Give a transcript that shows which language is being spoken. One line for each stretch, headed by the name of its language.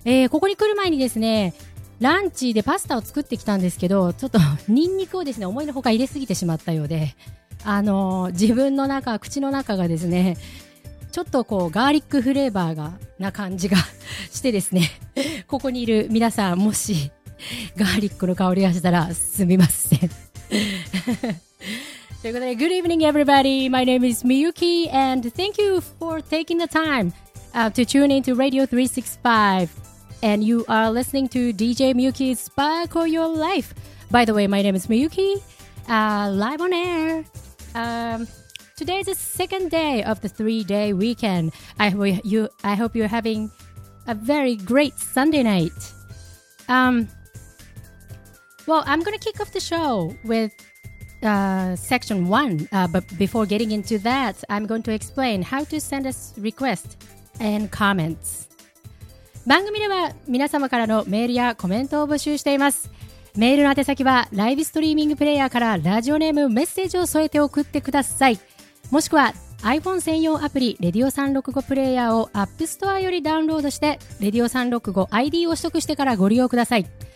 Japanese: ここに来る前にですねランチでパスタを作ってきたんですけど、ちょっとニンニクをですね思いのほか入れすぎてしまったようで、自分の中口の中がですねちょっとこうガーリックフレーバーがな感じがしてですね、ここにいる皆さんもしガーリックの香りがしたらすみませんということで
English: Good evening everybody. My name is Miyuki and thank you for taking the time、to tune into Radio 365 and you are listening to DJ Miyuki's Sparkle Your Life. By the way, my name is Miyuki、live on air、today is the second day of the three-day weekend. I hope you're having a very great Sunday night. Well, I'm going to kick off the show with section one. But before getting into that, I'm going to explain how to send us requests and comments.
Japanese: 番組では皆様からのメールやコメントを募集しています。メールの宛先はライブストリーミングプレイヤーからラジオネーム、メッセージを添えて送ってください。もしくは iPhone 専用アプリ Radio 365プレイヤーを App Store よりダウンロードして Radio 365 ID を取得してからご利用ください。